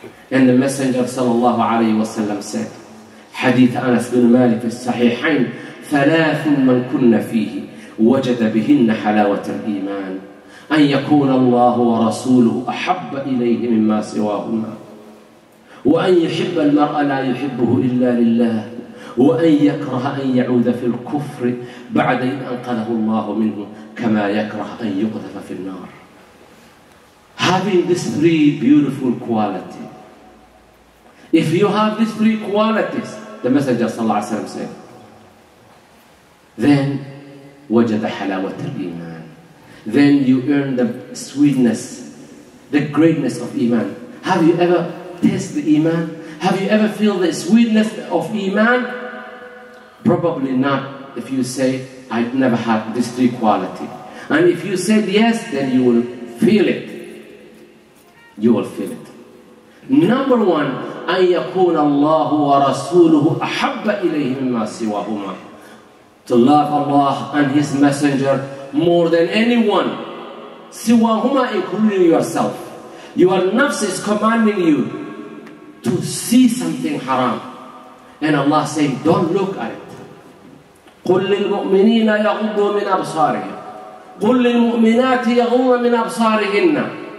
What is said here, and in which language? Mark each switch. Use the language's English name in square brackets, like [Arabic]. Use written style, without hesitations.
[English] And the Messenger sallallahu alayhi wa sallam said, [Arabic] حديث أنس بن مالك في الصحيحين ثلاث من كن فيه وجد بهن حلاوة الإيمان أن يكون الله ورسوله أحب إليه مما سواهما وأن يحب المرء لا يحبه إلا لله وأن يكره أن يعود في الكفر بعد أن أنقذه الله منه كما يكره أن يقذف في النار. [English] Having these three beautiful qualities, if you have these three qualities, the Messenger sallallahu alayhi wa sallam said, then [Arabic] wajada halawat al-iman, [English] then you earn the sweetness, the greatness of iman. Have you ever tasted the iman? Have you ever feel the sweetness of iman? Probably not. If you say, I've never had this three quality, and if you said yes, then you will feel it. You will feel it. Number one, [Arabic] أن يكون الله ورسوله أحب إليه مما سواهما. [English] To love Allah and His Messenger more than anyone. سواهما, including yourself. Your nafs is commanding you to see something haram. And Allah saying, don't look at it. [Arabic] قل للمؤمنين يغضوا من أبصارهم. قل للمؤمنات يغضوا من أبصارهن.